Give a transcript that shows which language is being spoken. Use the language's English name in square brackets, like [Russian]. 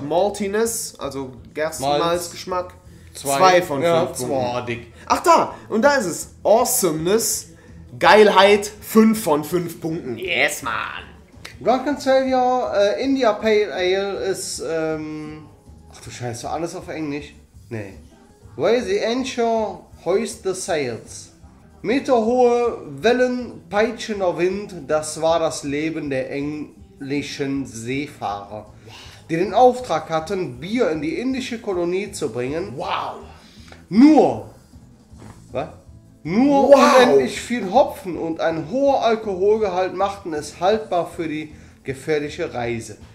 [German] Maltiness, also Gerstenmalzgeschmack. 2 von 5 Punkten. Zwar dick. Ach da, und da ist es. Awesomeness. Geilheit. 5 von 5 Punkten. [English] Yes, man. [German] Drunken Sailor India Pale Ale ist, ach du Scheiße, alles auf Englisch? Nee. [English] Weigh the anchor, hoist the sails. [German] Meterhohe Wellen, peitschender Wind, das war das Leben der englischen Seefahrer, die den Auftrag hatten, Bier in die indische Kolonie zu bringen. Wow! Nur, unendlich viel Hopfen und ein hoher Alkoholgehalt machten es haltbar für die gefährliche Reise.